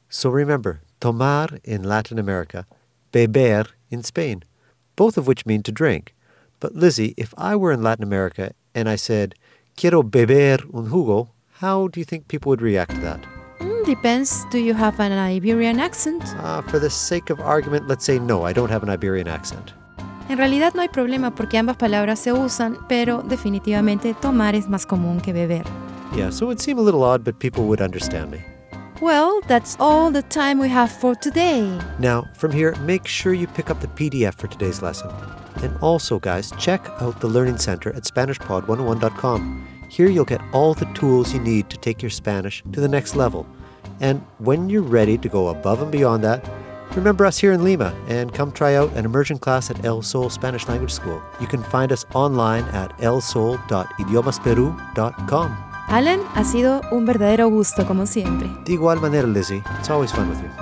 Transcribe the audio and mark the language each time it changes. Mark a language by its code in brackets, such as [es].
[en] So remember, tomar in Latin America, beber in Spain, both of which mean to drink. But Lizzie, if I were in Latin America and I said, [es] quiero beber un jugo, [en] how do you think people would react to that? Depends. Do you have an Iberian accent? For the sake of argument, let's say no, I don't have an Iberian accent. [es] En realidad no hay problema porque ambas palabras se usan, pero definitivamente tomar es más común que beber. [en] Yeah, so it would seem a little odd, but people would understand me. Well, that's all the time we have for today. Now, from here, make sure you pick up the PDF for today's lesson. And also, guys, check out the Learning Center at SpanishPod101.com. Here you'll get all the tools you need to take your Spanish to the next level. And when you're ready to go above and beyond that, remember us here in Lima and come try out an immersion class at El Sol Spanish Language School. You can find us online at elsol.idiomasperu.com. [es] Alan, ha sido un verdadero gusto, como siempre. De igual manera, [en] Lizzie. It's always fun with you.